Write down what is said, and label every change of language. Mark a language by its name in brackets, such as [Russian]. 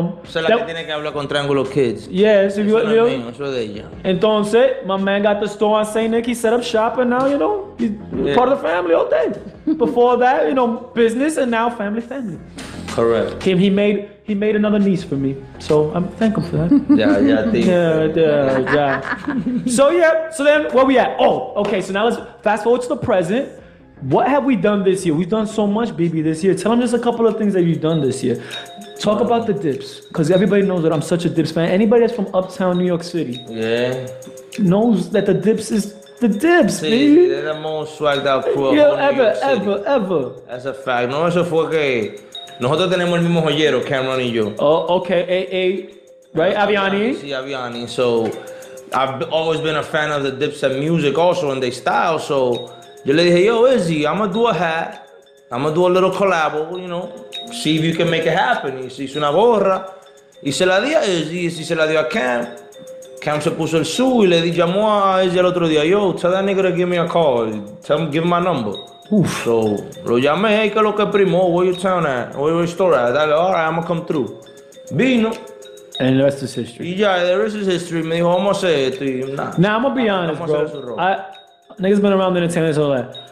[Spanish] so la que tiene que hablar con Triangulo Kids. [English] Yes. [Spanish] Eso no es mío, eso es de ella. [English] Entonces, my man got the store on St. Nick. He set up shop and now, you know, he's part of the family all day. Before that, you know, business and now family. Correct. Kim, he made another niece for me. So I'm thank him for that. Yeah. So then where we at? Oh, okay. So now let's fast forward to the present. What have we done this year? We've done so much, BB, this year. Tell them just a couple of things that you've done this year. Talk about the dips, because everybody knows that I'm such a dips fan. Anybody that's from uptown New York City knows that the dips is the dips, [Spanish] sí, [English] baby. They're the most swagged out crew of ever. That's a fact. [Spanish] No, eso fue que nosotros tenemos el mismo joyero, Cameron y yo. [English] Oh, okay. Right, Aviani? [Spanish] Sí, Aviani. [English] So I've always been a fan of the dips and music also and their style, so... [Spanish] Yo le dije, [English] yo, Izzy, I'm going to do a hat. I'm going to do a little collab, you know, see if you can make it happen. [Spanish] Y se hizo una gorra. Y se la di a Izzy. Y se la dio a Cam. Cam se puso el su y le di, llamó a Izzy el otro día. [English] Yo, tell that nigga to give me a call. Tell him, give him my number. Oof. So, [Spanish] lo llamé. [English] Hey, [Spanish] que lo que primo, [English] where your town at? Where your store at? Dale, all right, I'm going to come through. [Spanish] Vino. [English] And the rest is history. [Spanish] Y ya, [English] the rest is history. [Spanish] Me dijo, vamos a hacer esto. Y nah. [English] Now, I'm going to be honest, bro. Niggas been around the entertainment all that.